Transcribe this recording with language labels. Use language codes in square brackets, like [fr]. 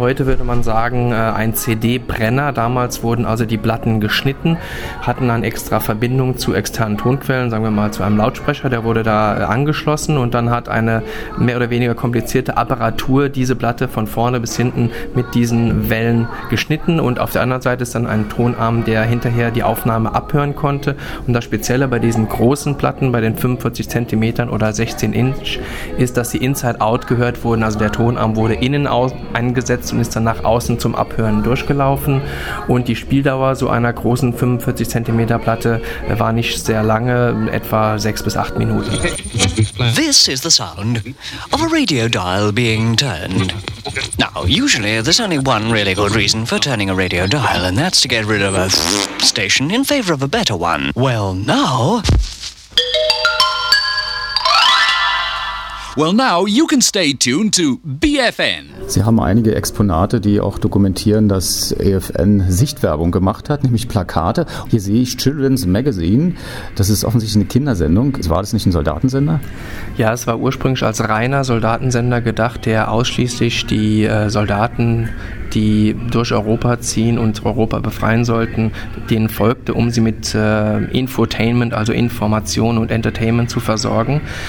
[de] Heute würde man sagen ein CD-Brenner. Damals wurden also die Platten geschnitten, hatten dann extra Verbindung zu externen Tonquellen, sagen wir mal zu einem Lautsprecher, der wurde da angeschlossen und dann hat eine mehr oder weniger komplizierte Apparatur diese Platte von vorne bis hinten mit diesen Wellen geschnitten und auf der anderen Seite ist dann ein Tonarm, der hinterher die Aufnahme abhören konnte und das Spezielle bei diesen großen Platten, bei den 45 cm oder 16 Inch, ist, dass sie inside out gehört wurden, also der Tonarm wurde innen eingesetzt und ist dann nach außen zum Abhören durchgelaufen und die Spieldauer so einer großen 45 cm Platte war nicht sehr lange, etwa 6 bis 8 Minuten. [en] This is the sound of a radio dial being turned. Now, usually there's only one really good reason for turning a radio dial and that's to get rid of a station in favor of a better one. Well, now... Well now, you can stay tuned to BFN. [de] Sie haben einige Exponate, die auch dokumentieren, dass EFN Sichtwerbung gemacht hat, nämlich Plakate. Hier sehe ich Children's Magazine. Das ist offensichtlich eine Kindersendung. War das nicht ein Soldatensender? Ja, es war ursprünglich als reiner Soldatensender gedacht, der ausschließlich die Soldaten, die durch Europa ziehen und Europa befreien sollten, denen folgte, um sie mit Infotainment, also Information und Entertainment zu versorgen.